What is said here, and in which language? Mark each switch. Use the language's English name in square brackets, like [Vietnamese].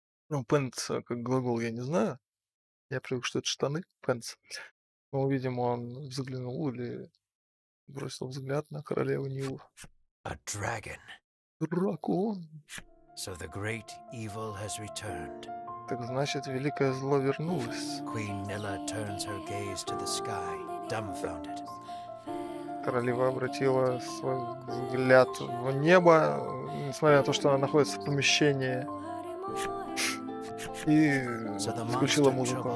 [Russian] Ну, пэнс как глагол, я не знаю. Я привык, что это штаны, пэнс. Но, видимо, он взглянул или бросил взгляд на королеву Нилу. [English] A dragon. [Russian] Дракон. [English] So the great evil has returned. [Russian] Так значит, великое зло вернулось. [English] Queen Nilla turns her gaze to the sky. Dumbfounded. [Russian] Королева обратила свой взгляд в небо, несмотря на то, что она находится в помещении, и включила музыку.